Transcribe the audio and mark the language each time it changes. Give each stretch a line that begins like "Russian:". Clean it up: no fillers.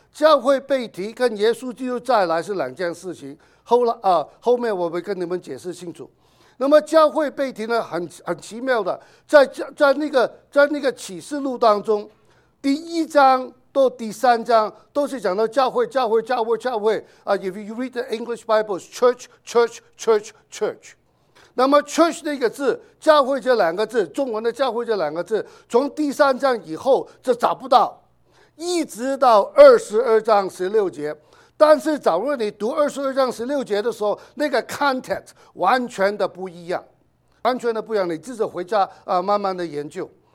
Chinese: 教会被提跟耶稣基督再来是两件事情，后面我会跟你们解释清楚。那么教会被提呢，很奇妙的，在那个启示录当中，第一章到第三章都是讲到教会教会教会教会啊。
English: If you read the English Bibles, church, church, church, church。
Chinese: 那么 church 那个字，教会这两个字，中文的教会这两个字，从第三章以后就找不到，一直到二十二章十六节。但是假如你读二十二章十六节的时候，那个 context 完全的不一样，完全的不一样，你自己回家慢慢的研究。